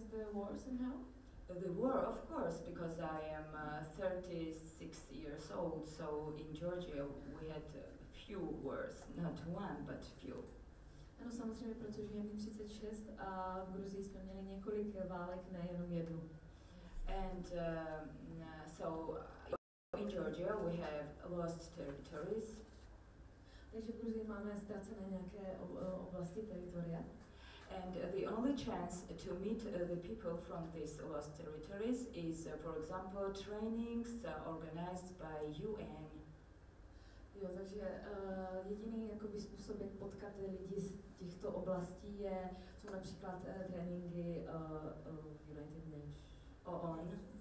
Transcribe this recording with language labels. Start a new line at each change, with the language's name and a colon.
English: The war, of course, because I am 36 years old, so in Georgia we had a few wars, not one, but few.
Czech: Ano, samozřejmě, protože jsem 36 a v Gruzii jsme měli několik válek, ne jenom jednu.
English: And so in Georgia we have lost territories.
Czech: Takže v Gruzii máme ztracené nějaké oblasti, teritoria.
English: And the only chance to meet the people from these lost territories is, for example, trainings organized by UN.
Czech: Jo, takže jediný jakoby způsob, jak potkat lidi z těchto oblastí, je, jsou například tréninky United Nations.